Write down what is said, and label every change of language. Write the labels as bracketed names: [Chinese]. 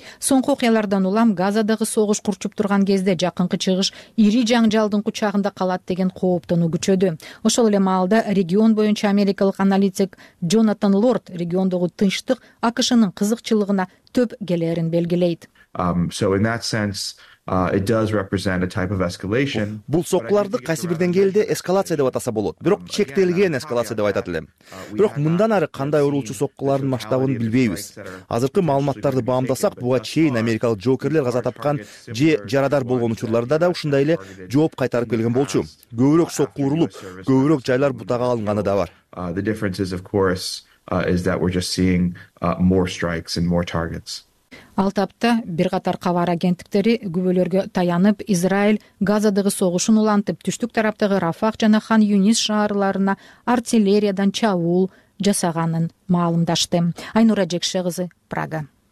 [Kyrgyz] Соңку окуялардан улам Газадагы согуш курчуп турган кезде жакынкы чыгыш ири жаңжалдын кучагында калат деген кооптонуу күчөдү. Ошол эле маалда регион боюнча америкалык аналитик Джонатан Лорд региондогу тынчтык АКШнын кызыкчылыгына төп келерин белгилейт. [English] So in that sense, it does represent a type of escalation. [Kyrgyz] Бул соккуларды кайсы бир деңгээлде эскалация деп атаса болот, бирок чектелген эскалация деп айтат элем. Бирок мындан ары кандай урулчу соккулардын масштабын билбейбиз. Азыркы маалыматтарды баамдасак, буга чейин америкалык жоокерлер каза тапкан же жарадар болгон учурларда да ушундай эле жооп кайтарып келген болчу. Көбүрөөк сокку урулуп, көбүрөөк жайлар бутага алынганы да бар. [English] The difference is of course is that we're just seeing more strikes and more targets. [Kyrgyz] Ал тапта бир катар кабар агенттиктери күбөлөргө таянып, Израиль Газадагы согушун улантып, түштүк тараптагы Рафах жана Хан Юнис шаарларына артиллериядан чабуул жасаганын маалымдашты. Айнура Жекше кызы, Прага.